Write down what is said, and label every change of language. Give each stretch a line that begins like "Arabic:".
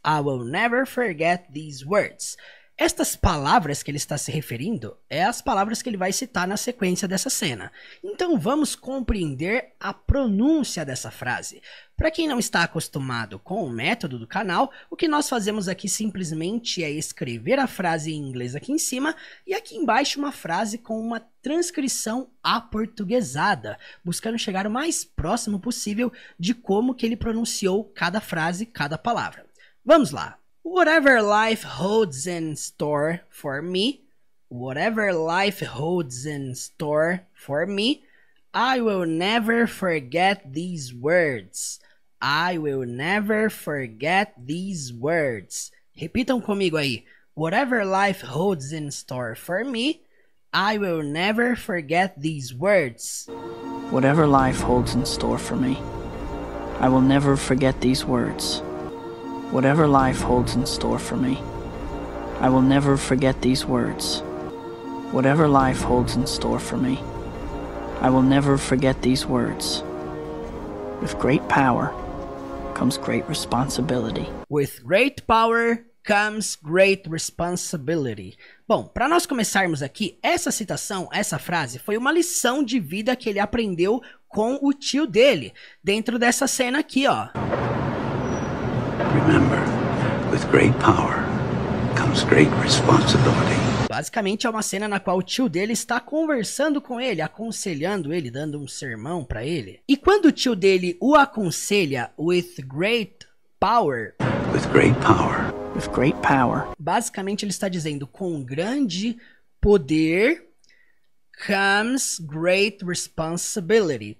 English: I will never forget these words.
Portuguese: Estas palavras que ele está se referindo é as palavras que ele vai citar na sequência dessa cena. Então vamos compreender a pronúncia dessa frase. Para quem não está acostumado com o método do canal, o que nós fazemos aqui simplesmente é escrever a frase em inglês aqui em cima e aqui embaixo uma frase com uma transcrição aportuguesada, buscando chegar o mais próximo possível de como que ele pronunciou cada frase, cada palavra. Vamos lá!
English: Whatever life holds in store for me, whatever life holds in store for me, I will never forget these words. I will never forget these words.
Portuguese: Repitam comigo aí.
English: Whatever life holds in store for me, I will never forget these words. Whatever life holds in store for me, I will never forget these words. Whatever life holds in store for me, I will never forget these words. Whatever life holds in store for me, I will never forget these words. With great power comes great responsibility. With great power comes great responsibility.
Portuguese: Bom, para nós começarmos aqui, essa citação, essa frase, foi uma lição de vida que ele aprendeu com o tio dele, dentro dessa cena aqui, ó.
English: Remember, with great power comes great responsibility.
Portuguese: Basicamente, é uma cena na qual o tio dele está conversando com ele, aconselhando ele, dando um sermão para ele. E quando o tio dele o aconselha
English: with great power, with great power, with great power,
Portuguese: basicamente ele está dizendo com grande poder
English: comes great responsibility.